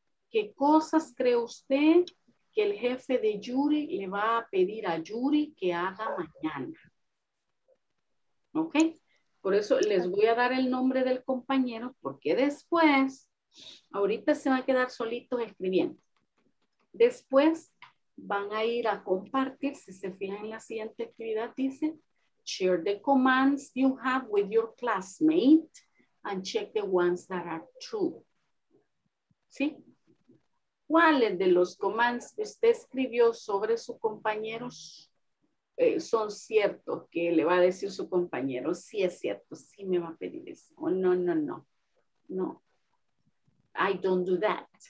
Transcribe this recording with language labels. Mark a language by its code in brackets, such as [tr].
[es] ¿Qué cosas cree usted que el jefe de Yuri le va a pedir a Yuri que haga mañana? ¿Ok? Por eso les voy a dar el nombre del compañero, porque después, ahorita se va a quedar solito escribiendo. Después van a ir a compartir, si se fijan en la siguiente actividad, dice... [en] Share the commands you have with your classmate and check the ones that are true. [es] ¿Sí? ¿Cuáles de los commands que usted escribió sobre su compañero son ciertos? ¿Qué le va a decir su compañero? Sí, es cierto. Sí me va a pedir eso. Oh, no, no, no. No. [en] I don't do that.